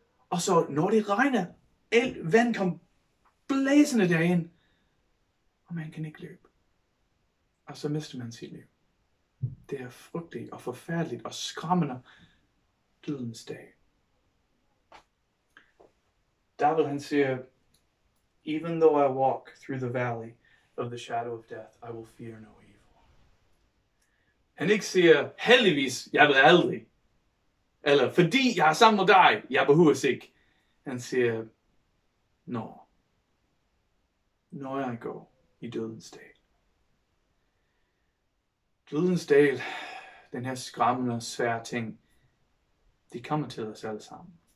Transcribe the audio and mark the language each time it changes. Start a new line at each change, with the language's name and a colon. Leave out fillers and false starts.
Danish: Og så når det regner, alt vand kom blæsende derind, og man kan ikke løbe. Og så mister man sit liv. Det er frygteligt og forfærdeligt og skræmmende dødens dag. David han siger,
English: even though I walk through the valley of the shadow of death, I will fear no evil.
Danish: Han ikke siger, heldigvis, jeg vil aldrig. Eller, fordi jeg er sammen med dig, jeg behøver sig. Han siger, no. når jeg går i dødens dal. Dødens dal, den her skræmmende og svære ting, det kommer til os alle sammen.